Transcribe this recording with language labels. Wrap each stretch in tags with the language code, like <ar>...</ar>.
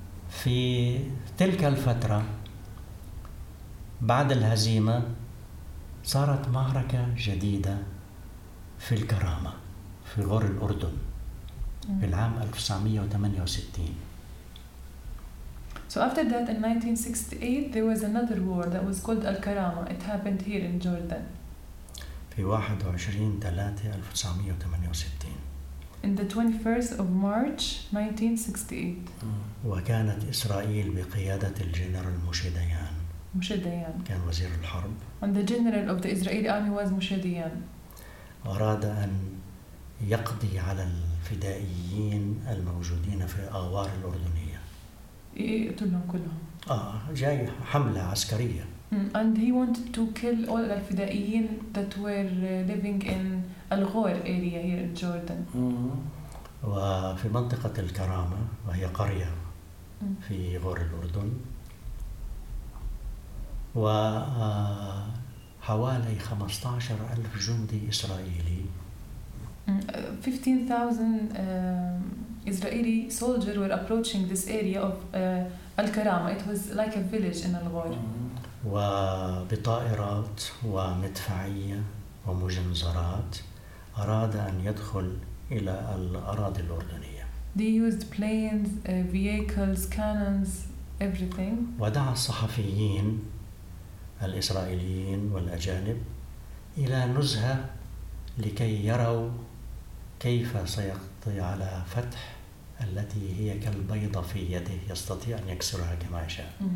<ar>في تلك الفترة بعد الهزيمة صارت معركة جديدة في الكرامة في غور الأردن في العام 1968.</ar> <en>So after that in 1968 there was another war that was called Al-Karama. It happened here in Jordan.</en> <ar>في 21/3/1968.</ar> <en>In the 21st of March 1968.</en> <ar>وكانت إسرائيل بقيادة الجنرال مشيديان. مشيديان. كان وزير الحرب.</ar> <en>And the general of the Israeli army was مشيديان.</en> <ar>أراد أن يقضي على الفدائيين الموجودين في أغوار الأردنية. يقتلهم كلهم. جاي حملة عسكرية.</ar> <en>And he wanted to kill all the الفدائيين that were living in الغور area here in Jordan.</en> <ar>وفي منطقة الكرامة وهي قرية في غور الأردن وحوالي 15,000 جندي إسرائيلي.</ar> <en>15,000 Israeli soldiers were approaching this area of الكرامة. It was like a village in الغور.</en> <ar>وبطائرات ومدفعية ومجنزرات أراد أن يدخل إلى الأراضي الأردنية.</ar> <en>They used planes, vehicles, cannons, everything.</en> <ar>ودعا الصحفيين الإسرائيليين والأجانب إلى نزهة لكي يروا كيف سيقضي على فتح التي هي كالبيضة في يده يستطيع أن يكسرها كما يشاء.</ar>